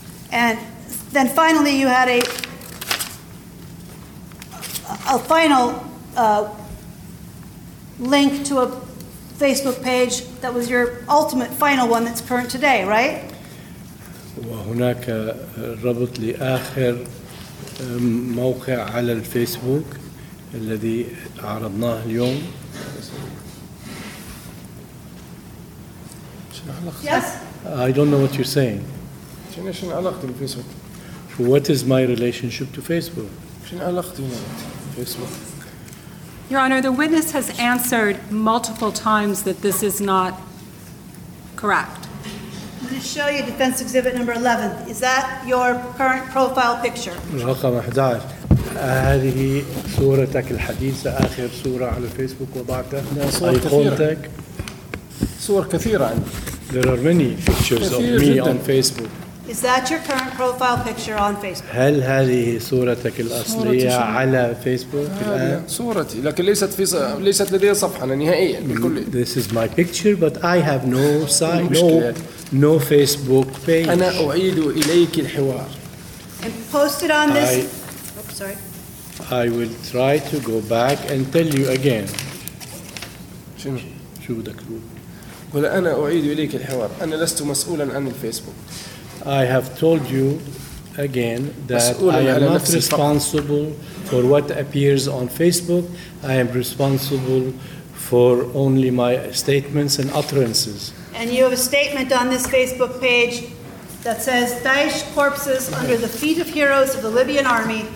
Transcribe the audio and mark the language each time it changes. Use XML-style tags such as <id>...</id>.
<en>And then finally you had a final link to a Facebook page that was your ultimate final one that's current today, right?</en> <ar>وهناك ربط لآخر موقع على الفيسبوك الذي عرضناه اليوم.</ar> <en>Yes. I don't know what you're saying.</en> <ar>شنو علاقتي بالفيسبوك؟</ar> <en>What is my relationship to Facebook?</en> <ar>شنو علاقتي بالفيسبوك؟</ar> <en>Your Honor, the witness has answered multiple times that this is not correct. I'm going to show you Defense Exhibit number 11. Is that your current profile picture?</en> <ar>رقم 11. هذه صورتك الحديثة آخر صورة على الفيسبوك وضعتها. صور كثيرة. صور كثيرة عندي.</ar> <en>There are many pictures of me on Facebook. Is that your current profile picture on Facebook?</en> <ar>هل هذه صورتك الأصلية على فيسبوك الآن؟ صورتي لكن ليست لدي صفحة نهائيا بالكل.</ar> <en>This is my picture but I have no site, no Facebook page.</en> <ar>أنا أعيد إليك الحوار.</ar> <en>And post it on this. Sorry. I will try to go back and tell you again.</en> <ar>شو بدك تقول؟ ولا أنا أعيد إليك الحوار. أنا لست مسؤولا عن الفيسبوك.</ar> <en>I have told you again that I am not responsible for what appears on Facebook. I am responsible for only my statements and utterances. And you have a statement on this Facebook page that says, Daesh corpses under the feet of heroes of the Libyan army.</en>